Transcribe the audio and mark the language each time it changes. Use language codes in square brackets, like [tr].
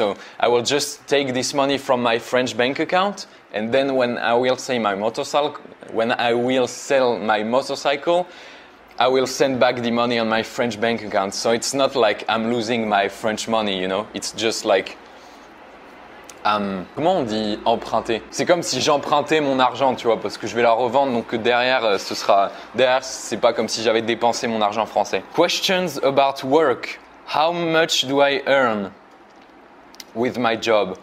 [en] So I will just take this money from my French bank account, and then when I will sell my motorcycle, I will send back the money on my French bank account. So it's not like I'm losing my French money, you know. It's just like… [fr] comment on dit emprunter? C'est comme si j'empruntais mon argent, tu vois, parce que je vais la revendre, donc derrière, ce sera… derrière, c'est pas comme si j'avais dépensé mon argent français. [en] Questions about work. How much do I earn with my job?